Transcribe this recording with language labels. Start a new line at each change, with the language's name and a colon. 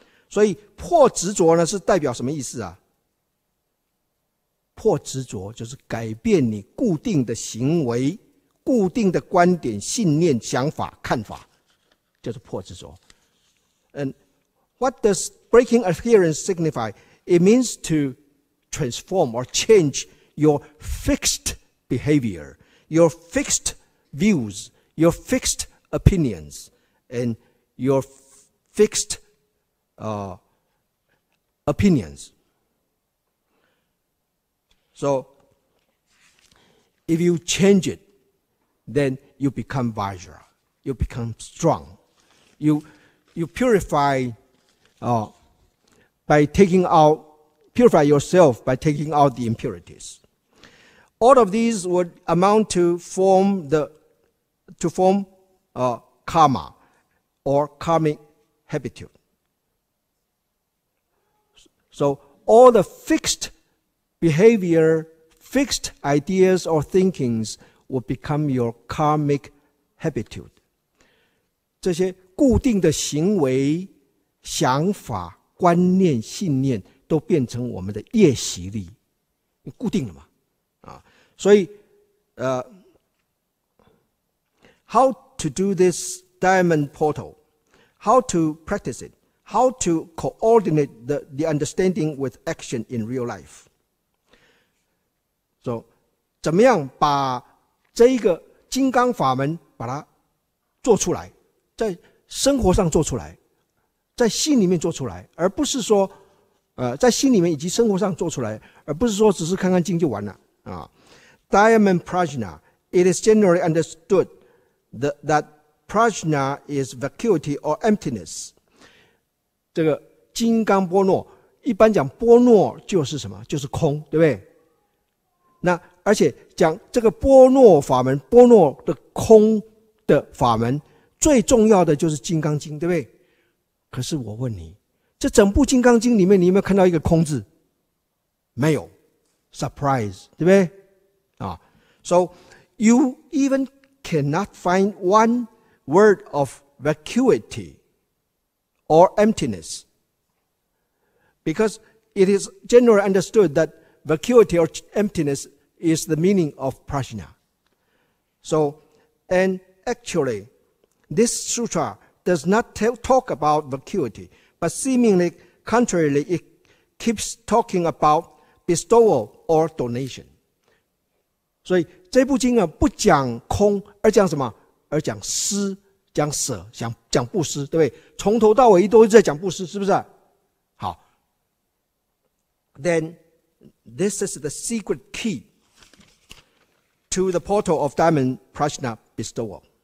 Chinese: 所以破执着呢是代表什么意思啊？破执着就是改变你固定的行为、固定的观点、信念、想法、看法，就是破执着。
English: And what does breaking adherence signify? It means to transform or change your fixed behavior, your fixed views, your fixed opinions, and your fixed opinions. So, if you change it, then you become Vajra. You become strong. You purify by taking out, purify yourself by taking out the impurities. All of these would amount to form the, to form karma or karmic habitude. So, all the fixed behavior, fixed ideas or thinkings will become your karmic habitude.
Chinese: 这些固定的行为、想法、观念、信念都变成我们的业习力，固定了嘛？
English: 啊，
Chinese: 所以，
English: how to do this diamond portal? How to practice it? How to coordinate the understanding with action in real life?
Chinese: So, 怎么样把这一个金刚法门把它做出来，在生活上做出来，在心里面做出来，而不是说在心里面以及生活上做出来，而不是说只是看看经就完了啊。
English: Diamond Prajna, it is generally understood that Prajna is vacuity or emptiness.
Chinese: 这个金刚波诺，一般讲波诺就是什么？就是空，对不对？那而且讲这个波诺法门，波诺的空的法门最重要的就是金刚经，对不对？可是我问你，这整部金刚经里面你有没有看到一个空字？没有。Surprise, 对不对？
English: 啊， So you even cannot find one word of vacuity or emptiness, because it is generally understood thatVacuity or emptiness is the meaning of prajna. So, and actually, this sutra does not talk about vacuity, but seemingly contrarily, it keeps talking about bestowal or donation.
Chinese: 所以这部经啊不讲空，而讲什么？而讲施，讲舍，讲布施，对不对？从头到尾都在讲布施，是不是？
English: 好。Then. This is the secret key to the portal of diamond prajna bestowal.